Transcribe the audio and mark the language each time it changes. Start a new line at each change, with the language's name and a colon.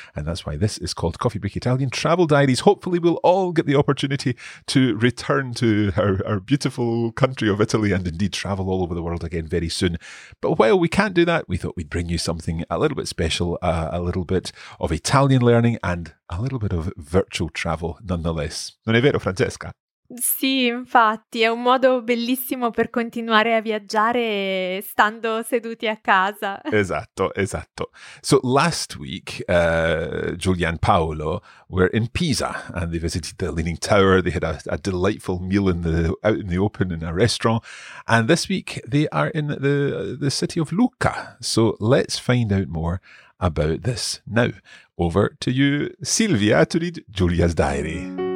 English: And that's why this is called Coffee Break Italian Travel Diaries. Hopefully, we'll all get the opportunity to return to our beautiful country of Italy and indeed travel all over the world again very soon. But while we can't do that, we thought we'd bring you something a little bit special, a little bit of Italian learning and a little bit of virtual travel nonetheless.
Italian: Non è vero, Francesca? Sì, infatti, è un modo bellissimo per continuare a viaggiare stando seduti a casa. Esatto, esatto.
English: So last week, Giulia and Paolo were in Pisa and they visited the Leaning Tower. They had a delightful meal out in the open in a restaurant. And this week they are in the city of Lucca. So let's find out more about this. Now, over to you, Silvia, to read Giulia's diary.